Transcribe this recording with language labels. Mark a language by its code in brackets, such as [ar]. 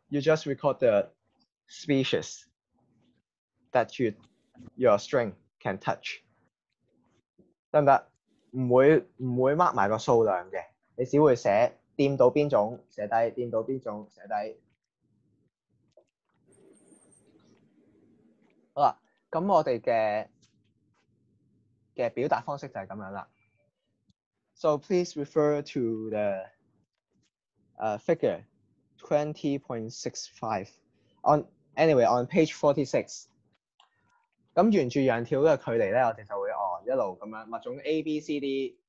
[en] You just record the species that your string can touch. [yue] 得唔得？唔會 mark 埋個數量嘅。你只會寫掂到邊種寫低，掂到邊種寫低。好啦，咁我哋嘅表達方式就係咁樣啦。 [en] So please refer to the figure 20.65 on page 46。 [yue] 咁沿住羊條嘅距離咧，我哋就會一路咁樣物種 A、B、C、D。